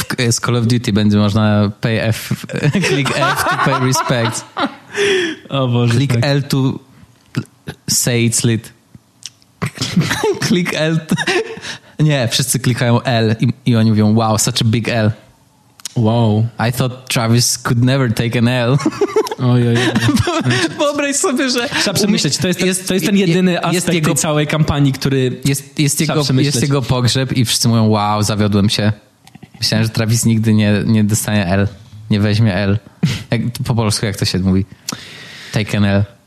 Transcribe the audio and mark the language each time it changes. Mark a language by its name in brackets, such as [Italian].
[Polish] Z Call of Duty będzie można pay F... [English] Click F to pay respect. [Polish] O Boże. [English] Click [Polish] tak. [English] L to say it's lit. Click L to... [Polish] Nie, wszyscy klikają L i oni mówią wow, such a big L. [English] Wow. I thought Travis could never take an L. [Polish] Ojej. Wyobraź sobie, że... Trzeba przemyśleć, to jest ten jedyny aspekt jego, tej całej kampanii, który... Jest jego pogrzeb i wszyscy mówią wow, zawiodłem się. Myślałem, że Travis nigdy nie dostanie L. Nie weźmie L. Jak, po polsku jak to się mówi? [English] Take an L.